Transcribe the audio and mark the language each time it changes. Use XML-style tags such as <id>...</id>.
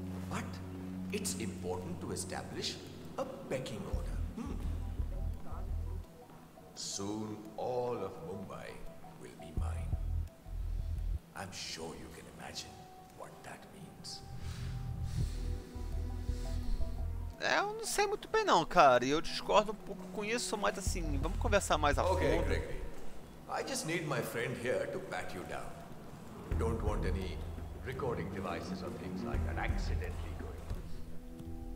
<en>But it's important to establish a pecking order. Soon all of Mumbai will be mine. I'm sure you can imagine what that means.</en> <pt>É, eu não sei muito bem não, cara. E eu discordo um pouco com isso, mas assim, vamos conversar mais a fundo.</pt> <en>Okay, Gregory. I just need my friend here to pat you down. Don't want any recording devices or things like that accidentally going on.</en>